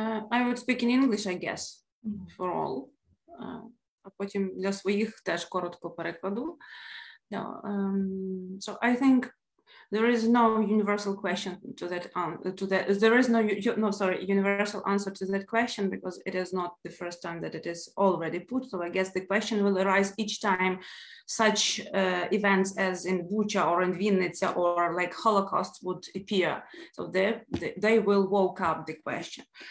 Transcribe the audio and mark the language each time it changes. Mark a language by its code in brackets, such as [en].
[en] I would speak in English, I guess, for all. [uk] А потім для своїх теж коротко перекладу. [en] So I think There is no universal question to that. Universal answer to that question, because it is not the first time that it is already put. So I guess the question will arise each time such events as in Bucha or in Vinnytsia or like Holocaust would appear. So they will woke up the question.